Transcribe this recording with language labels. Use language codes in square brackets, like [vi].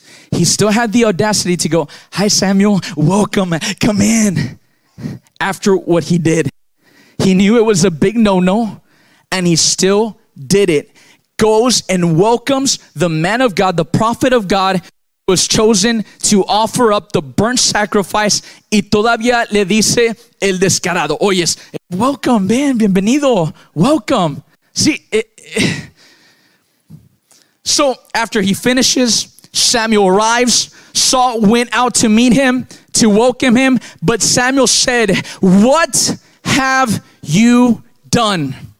[en] He still had the audacity to go, hi, Samuel, welcome, come in. After what he did, he knew it was a big no-no, and he still did it. Goes and welcomes the man of God, the prophet of God, who was chosen to offer up the burnt sacrifice. [es] Y todavía le dice el descarado. Oyes, [en] welcome, man, [es] bienvenido, [en] welcome. See, so after he finishes, Samuel arrives. Saul went out to meet him, to welcome him. But Samuel said, "What have you done?"